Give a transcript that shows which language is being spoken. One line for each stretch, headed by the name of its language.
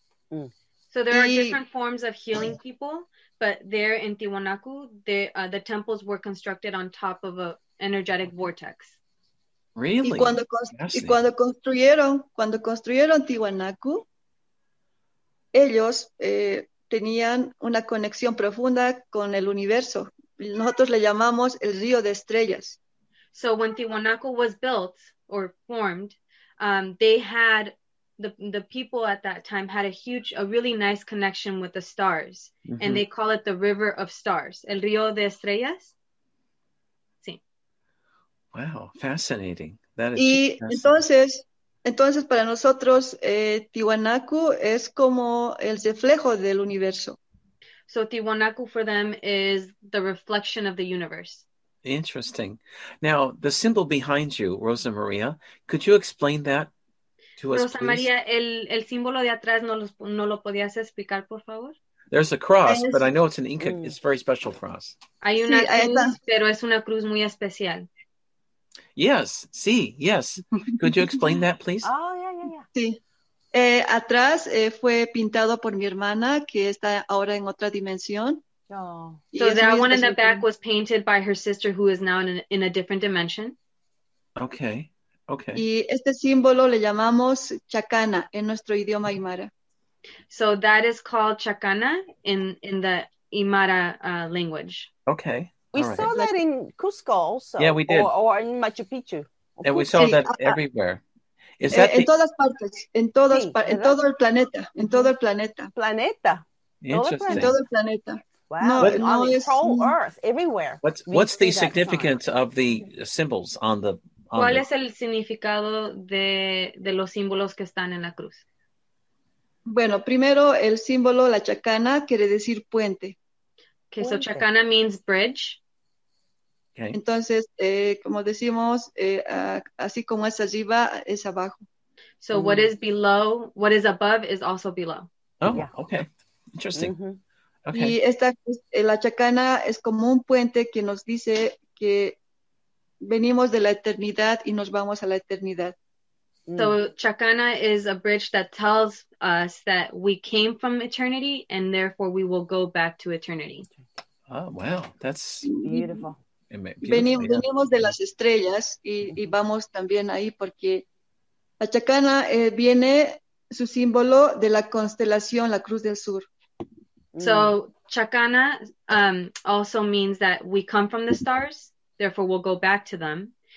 English: So there are different forms of healing people, but there in Tiwanaku, the temples were constructed on top of an energetic vortex. Really?
Spanish: Y cuando construyeron Tiwanaku, ellos tenían una conexión profunda con el universo. Nosotros le llamamos el río de estrellas.
English: So when Tiwanaku was built or formed, they had the people at that time had a really nice connection with the stars, mm-hmm. and they call it the River of Stars, el río de estrellas. Sí. Wow, fascinating. That is
Spanish: y
English: fascinating.
Spanish: Entonces, para nosotros, Tiwanaku es como el reflejo del universo.
English: So Tiwanaku for them is the reflection of the universe. Interesting. Now, the symbol behind you, Rosa María, could you explain that to Rosa us, please?
Spanish: Rosa María, el símbolo de atrás no lo podías explicar, por favor?
English: There's a cross, but I know it's an Inca. It's a very special cross.
Spanish: Hay una cruz, pero es una cruz muy especial.
English: Yes, sí, yes. Could you explain that, please? Oh, yeah.
Spanish: Sí. Atrás fue pintado por mi hermana, que está ahora en otra dimensión.
English: Oh. So that one in the back was painted by her sister, who is now in a different dimension. Okay, okay.
Spanish: Y este símbolo le llamamos chacana en nuestro idioma Aymara.
English: So that is called chacana in the Aymara language. Okay. We right. saw that in Cusco also. Yeah, we did. Or in Machu Picchu. And we saw that everywhere. Is that
Spanish: en todas partes. En todas sí, en todo el planeta. En todo el planeta. Planeta.
English: Interesting.
Spanish: En todo el planeta.
English: Wow. Whole Earth. Everywhere. What's the significance of the symbols on the... On
Spanish: ¿Cuál
English: the...
Spanish: es el significado de los símbolos que están en la cruz? Bueno, primero el símbolo, la chacana, quiere decir puente.
English: Okay, so chacana means bridge. Okay.
Spanish: Entonces, como decimos, así como es arriba, es abajo.
English: So what is below, what is above is also below. Oh, yeah. Okay. Interesting. Mm-hmm. Okay.
Spanish: Y esta, la chacana es como un puente que nos dice que venimos de la eternidad y nos vamos a la eternidad.
English: So chacana is a bridge that tells us that we came from eternity and therefore we will go back to eternity. Oh, wow. That's beautiful.
Spanish: Venimos de las estrellas y vamos también ahí porque la chacana viene su símbolo de la constelación, la Cruz del Sur.
English: So chacana also means that we come from the stars, therefore we'll go back to them.